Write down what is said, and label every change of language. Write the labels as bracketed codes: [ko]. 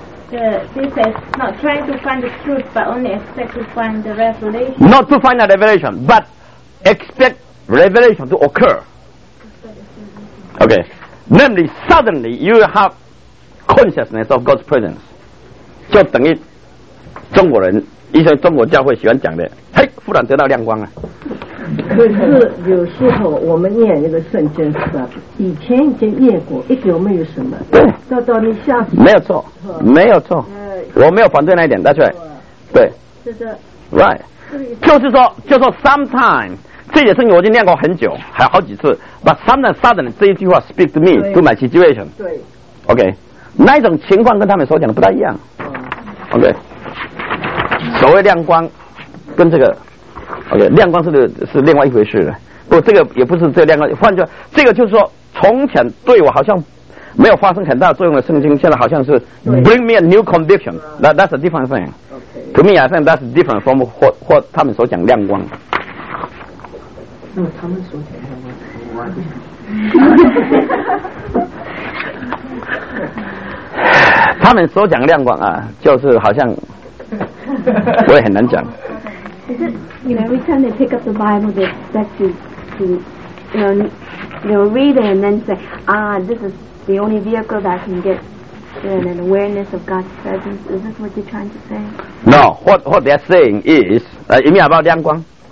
[en] This is not trying to find the truth, but only expect to find the revelation. Not to find a revelation, but expect revelation to occur. Okay. Namely, suddenly you have consciousness of God's presence. [zh] 就等于中国人一些中国教会喜欢讲的，嘿，忽然得到亮光了。可是有时候我们念那个圣经是吧，以前已经念过，一点没有什么，到你下次没有错，没有错，我没有反对那一点，大帅，对，是的，right， 就是说 ，sometime 这些圣经我已经念过很久，还有好几次 ， [en] but sometime suddenly [zh] 这一句话 [en] speak to me to my situation， [zh] 对，OK， 那一种情况跟他们所讲的不太一样 ，OK。所谓亮光跟这个 OK， 亮光 是另外一回事的，不过这个也不是这个亮光，换句话这个就是说从前对我好像没有发生很大作用的圣经，现在好像是 [en] bring me a new conviction， that's a different thing、 okay. to me I think that's different from [zh] 或他们所讲亮光。那么他们所讲亮光啊，就是好像我也很难讲。 [en] Is it, you know, every time they pick up the Bible, they expect to read it and then say, ah, this is the only vehicle that can get an awareness of God's presence. Is this what you're trying to say? No, what they're saying is, you mean about 亮光?